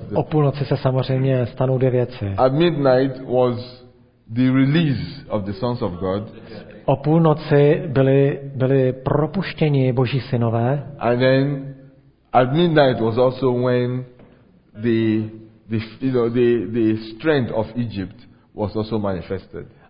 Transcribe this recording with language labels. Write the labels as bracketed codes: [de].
[cs] O půlnoci se samozřejmě stanou dvě věci. [en] At midnight was the release of the sons of God. [cs] O půlnoci byli propuštěni Boží synové. [en] And then at midnight was also when the strength of Egypt was also manifested.